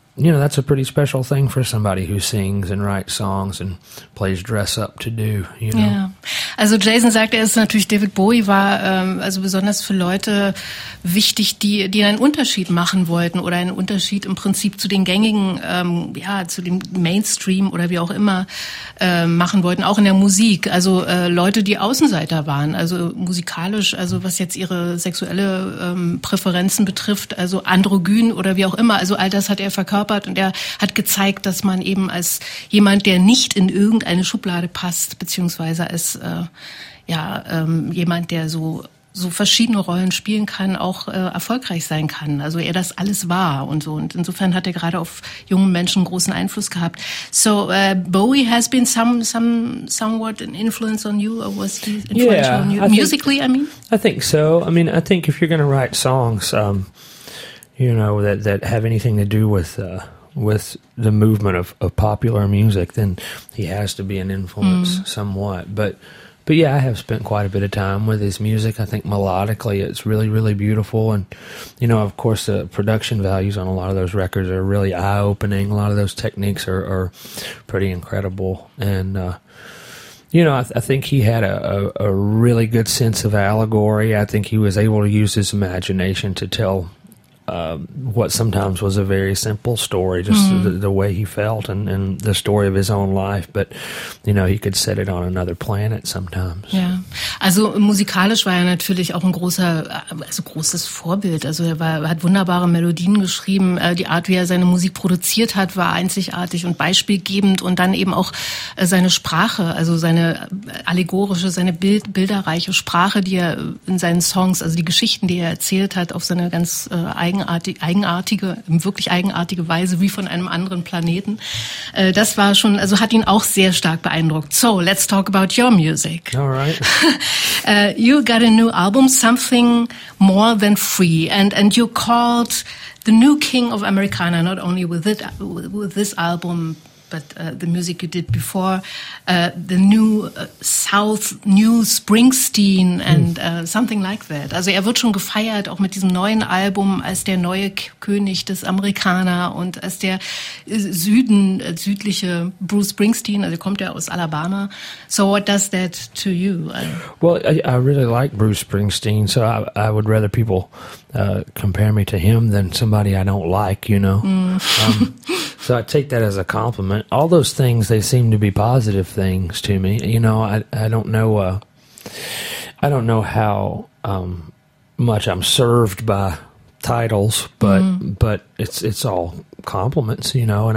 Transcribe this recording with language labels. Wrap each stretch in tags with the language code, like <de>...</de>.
<en>You know, that's a pretty special thing for somebody who sings and writes songs and plays dress up to do, you know. Yeah.</en> <de>Also Jason sagt, er ist natürlich, David Bowie war also besonders für Leute wichtig, die einen Unterschied machen wollten oder einen Unterschied im Prinzip zu den gängigen, zu dem Mainstream oder wie auch immer machen wollten, auch in der Musik. Also Leute, die Außenseiter waren, also musikalisch, also was jetzt ihre sexuelle Präferenzen betrifft, also androgyn oder wie auch immer, also all das hat er verkörpert und er hat gezeigt, dass man eben als jemand, der nicht in irgendeine Schublade passt, beziehungsweise als jemand, der so verschiedene Rollen spielen kann, auch erfolgreich sein kann. Also er das alles war und so. Und insofern hat er gerade auf jungen Menschen großen Einfluss gehabt.</de> <en>So Bowie has been somewhat an influence on you, or was he influential on you? I think I think if you're going to write songs, you know, that have anything to do with the movement of popular music, then he has to be an influence somewhat. But yeah, I have spent quite a bit of time with his music. I think melodically it's really, really beautiful. And, you know, of course, the production values on a lot of those records are really eye-opening. A lot of those techniques are pretty incredible. And, you know, I think he had a really good sense of allegory. I think he was able to use his imagination to tell what sometimes was a very simple story, just the way he felt and the story of his own life. But, you know, he could set it on another planet sometimes.</en> <de>Ja, also musikalisch war er natürlich auch ein großes Vorbild. Also er hat wunderbare Melodien geschrieben. Die Art, wie er seine Musik produziert hat, war einzigartig und beispielgebend. Und dann eben auch seine Sprache, also seine allegorische, seine bilderreiche Sprache, die er in seinen Songs, also die Geschichten, die er erzählt hat, auf seine ganz eigenartige Weise, wie von einem anderen Planeten. Das war schon, also hat ihn auch sehr stark beeindruckt.</de> <en>So, let's talk about your music. All right. You got a new album, Something More Than Free, and you called the new king of Americana, not only with this album, but the music you did before, the new South, new Springsteen and something like that.</en> <de>Also er wird schon gefeiert, auch mit diesem neuen Album, als der neue König des Amerikaner und als der Süden, südliche Bruce Springsteen, also kommt ja aus Alabama.</de> <en>So what does that to you? Well, I really like Bruce Springsteen, so I would rather people compare me to him than somebody I don't like, you know. So I take that as a compliment. All those things, they seem to be positive things to me. You know, I don't know how much I'm served by titles, but it's all compliments, you know.</en>